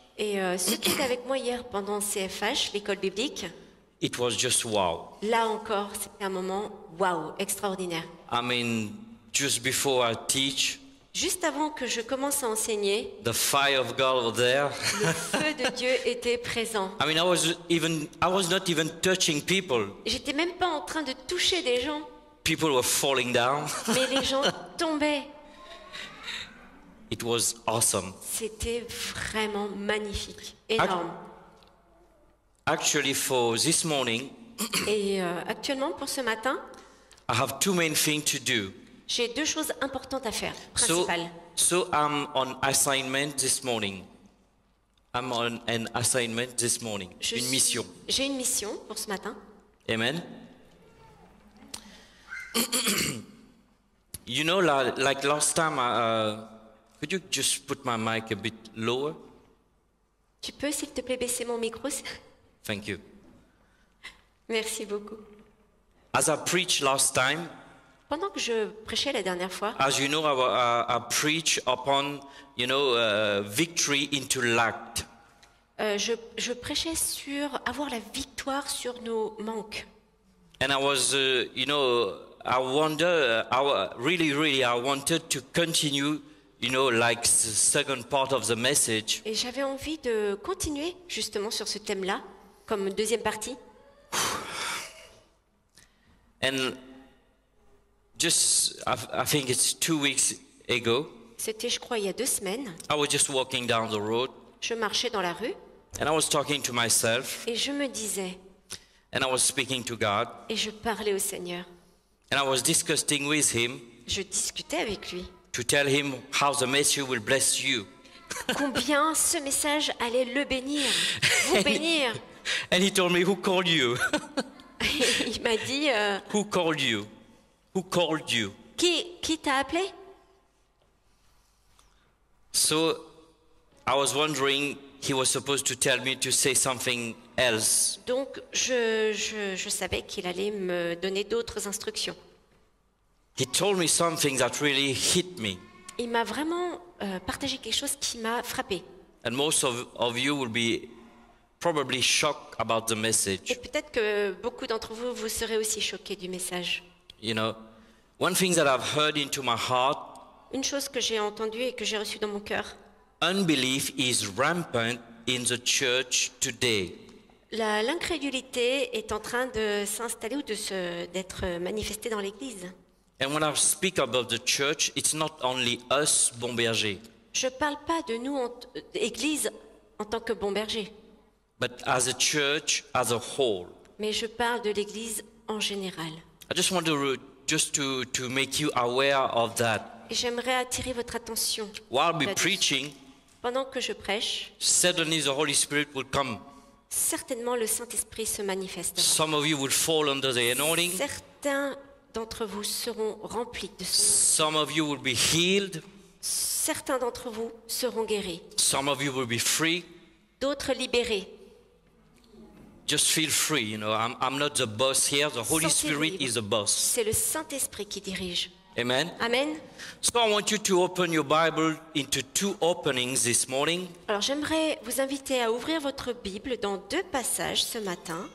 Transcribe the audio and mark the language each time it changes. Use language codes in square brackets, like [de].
[fr] Et ceux qui étaient avec moi hier pendant CFH, l'école biblique, [en] it was just wow. [fr] Là encore, c'était un moment wow, extraordinaire. [en] I mean, just before I teach, [fr] juste avant que je commence à enseigner, [en] the fire of God was there. [fr] Le feu de Dieu était présent. [en] I mean, I was not even touching people. [fr] J'étais même pas en train de toucher des gens. [en] People were falling down. [fr] Mais les gens tombaient. [en] It was awesome. [fr] C'était vraiment magnifique, énorme. [en] Actually, for this morning, [fr] et actuellement pour ce matin, [en] I have 2 main things to do. [fr] J'ai 2 choses importantes à faire, principales. [en] So I'm on assignment this morning. I'm on an assignment this morning. [fr] Une mission. J'ai une mission pour ce matin. [en] Amen. You know, like last time, could you just put my mic a bit lower? [fr] Tu peux, s'il te plaît, baisser mon micro. [en] Thank you. [fr] Merci beaucoup. [en] As I preached last time. [fr] Pendant que je prêchais la dernière fois. [en] As you know, I preach upon, you know, victory into lack. [fr] Je prêchais sur avoir la victoire sur nos manques. [en] And I was, you know, I wonder, I wanted to continue. You know, like the second part of the message. [fr] Et j'avais envie de continuer justement sur ce thème-là, comme deuxième partie. [en] And just, I think it's 2 weeks ago. [fr] C'était, je crois, il y a 2 semaines. [en] I was just walking down the road. [fr] Je marchais dans la rue. [en] And I was talking to myself. [fr] Et je me disais. [en] And I was speaking to God. [fr] Et je parlais au Seigneur. [en] And I was discussing with him. [fr] Je discutais avec lui. [en] To tell him how the message will bless you. [fr] Combien ce message allait le bénir, vous bénir. [en] And he told me, who called you? [fr] Il m'a dit. [en] Who called you? Who called you? [fr] Qui t'a appelé? [en] So, I was wondering, he was supposed to tell me to say something else. [fr] Donc, je savais qu'il allait me donner d'autres instructions. [en] He told me something that really hit me. [fr] Il m'a vraiment partagé quelque chose qui m'a frappé. [en] And most of you will be probably shocked about the message. [fr] Et peut-être que beaucoup d'entre vous vous serez aussi choqués du message. [en] You know, one thing that I've heard into my heart. [fr] Une chose que j'ai entendue et que j'ai reçue dans mon cœur. [en] Unbelief is rampant in the church today. [fr] L'incrédulité est en train de s'installer ou d'être manifestée dans l'Église. [en] And when I speak about the church, it's not only us, Bon Berger. [fr] Je parle pas de nous, Église, en tant que Bon Berger. [en] But as a church, as a whole. [fr] Mais je parle de l'Église en général. [en] I just want to make you aware of that. [fr] Et j'aimerais attirer votre attention. [en] While we preaching, [fr] pendant que je prêche, [en] suddenly the Holy Spirit will come. [fr] Certainement le Saint-Esprit se manifeste. [en] Some of you will fall under the anointing. [fr] Certains d'entre vous seront remplis de son. [en] Some of you will be healed. [fr] Certains d'entre vous seront guéris. [en] Some of you will be free. [fr] D'autres libérés. [en] Just feel free, you know. I'm not the boss here. The Holy Spirit is the boss. [fr] C'est le Saint-Esprit qui dirige. [en] Amen. [fr] Amen. [en] So I want you to open your Bible into two openings this morning. [fr] Alors j'aimerais vous inviter à ouvrir votre Bible dans deux passages ce matin.